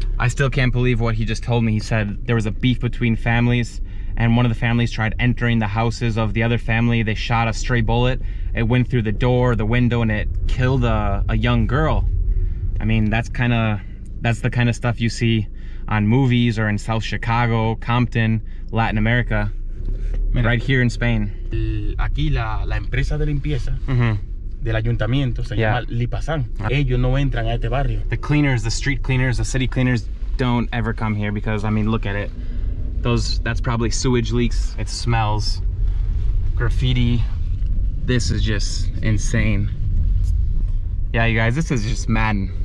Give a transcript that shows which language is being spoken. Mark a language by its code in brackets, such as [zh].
[en] I still can't believe what he just told me. He said there was a beef between families and one of the families tried entering the houses of the other family. They shot a stray bullet. It went through the door, the window, and it killed a young girl. I mean, that's kind of that's the kind of stuff you see on movies or in South Chicago, Compton, Latin America. Mira, right here in Spain. [es] Aquí la empresa de limpieza del ayuntamiento se llama Lipasan. Ellos no entran a este barrio. [en] The cleaners, the street cleaners, the city cleaners don't ever come here because, I mean, look at it. That's probably sewage leaks. It smells. Graffiti. This is just insane. Yeah, you guys, this is just mad.